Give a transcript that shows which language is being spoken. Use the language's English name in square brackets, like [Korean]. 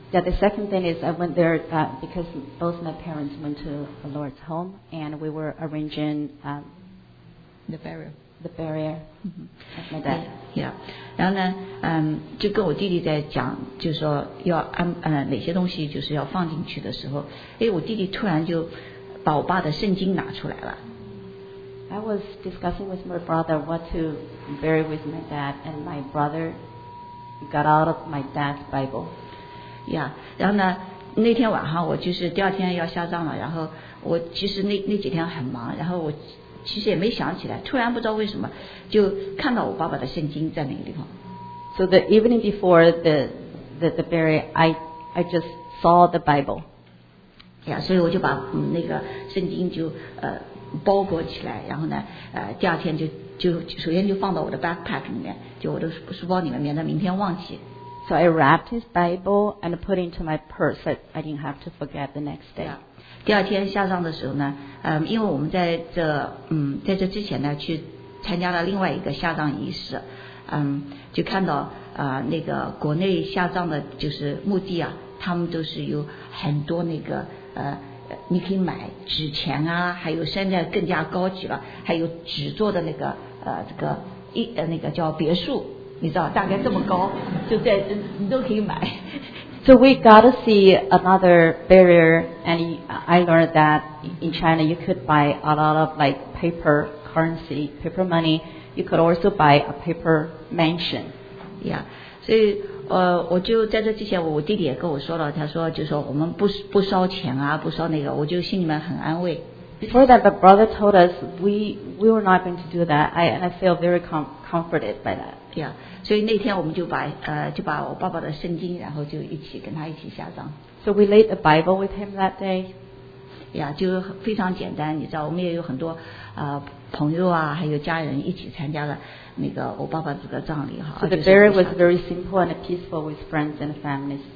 [English] Yeah, the second thing is I went there because both my parents went to the Lord's home and we were arranging the burial mm-hmm. of my dad. Yeah. [Chinese] 然后呢就跟我弟弟在讲，就是说要哪些东西就是要放进去的时候，我弟弟突然就把我爸的圣经拿出来了。 [English] I was discussing with my brother what to bury with my dad and my brother got out of my dad's Bible. [Chinese] Yeah, 然后呢那天晚上我就是第二天要下葬了，然后我其实那几天很忙，然后我其实也没想起来，突然不知道为什么就看到我爸爸的圣经在那个地方。 [English] So the evening before the burial, I just saw the Bible. [Chinese] Yeah, 所以我就把那个圣经就包裹起来，然后呢第二天就首先就放到我的 backpack 里面，就我的书包里面，免得明天忘记。 [English] So I wrapped his Bible and put into my purse that I didn't have to forget the next day. Yeah. [Chinese] 第二天下葬的时候呢，因为我们在这之前呢，去参加了另外一个下葬仪式，就看到那个国内下葬的就是墓地啊，他们都是有很多那个你可以买纸钱啊，还有现在更加高级了，还有纸做的那个那个叫别墅，你知道大概这么高，就在你都可以买。 [English] So we got to see another barrier, and I learned that in China you could buy a lot of like paper currency, paper money. You could also buy a paper mansion. [Chinese] Yeah, 所以我就在这之前，我弟弟也跟我说了，他说就说我们不烧钱啊，不烧那个，我就心里面很安慰。 [English] Before that, the brother told us we were not going to do that. I feel very comforted by that. Yeah. [Chinese] 所以那天我们就把我爸爸的圣经，然后就一起跟他一起下葬。 [English] So we laid the Bible with him that day. [Chinese] Yeah, 就非常简单，你知道，我们也有很多朋友啊，还有家人一起参加了那个我爸爸这个葬礼哈。 [English] So the burial was very simple and peaceful with friends and families.